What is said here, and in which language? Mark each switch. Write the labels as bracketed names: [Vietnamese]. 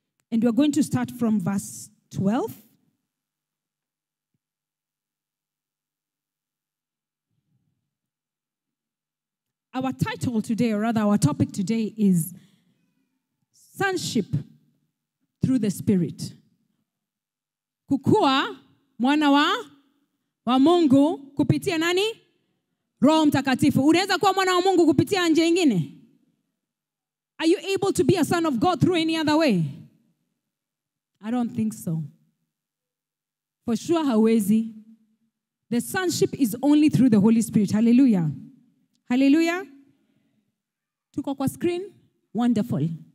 [English] And we're going to start from verse 12. Our title today, or rather our topic today, is Sonship Through the Spirit. [Swahili] Kukua mwana wa Mungu kupitia nani? Roho Mtakatifu. Unaweza kuwa mwana wa Mungu kupitia njia nyingine? [English] Are you able to be a son of God through any other way? I don't think so. For sure [Swahili] hawezi. [English] The sonship is only through the Holy Spirit. Hallelujah. Hallelujah. [Swahili] Tuko kwa [English] screen? Wonderful.